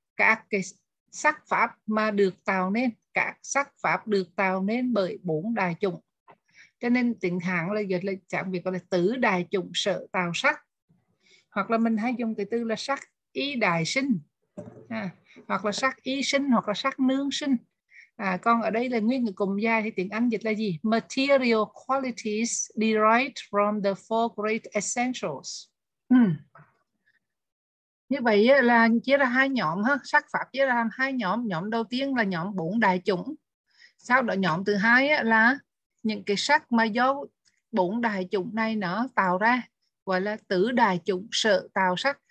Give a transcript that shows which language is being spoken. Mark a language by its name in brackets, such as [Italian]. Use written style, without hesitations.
[Vietnamese] Các cái sắc pháp mà được tạo nên, các sắc pháp được tạo nên bởi bốn đại chủng. Cho nên tiếng Hán là dịch là chẳng việc gọi là tứ đại chủng sở tạo sắc, hoặc là mình hay dùng cái từ là sắc y đại sinh, hoặc là sắc y sinh, hoặc là sắc nương sinh. Còn ở đây là nguyên cái cụm dài thì tiếng Anh dịch là gì? [English] Material qualities derived from the four great essentials. [Vietnamese] Như vậy là chia ra hai nhóm ha, sắc pháp chia ra hai nhóm. Nhóm đầu tiên là nhóm bốn đại chủng. Sau đó nhóm thứ hai là những cái sắc mà do bốn đại chủng này nó tạo ra, gọi là tứ đại chủng sở tạo sắc.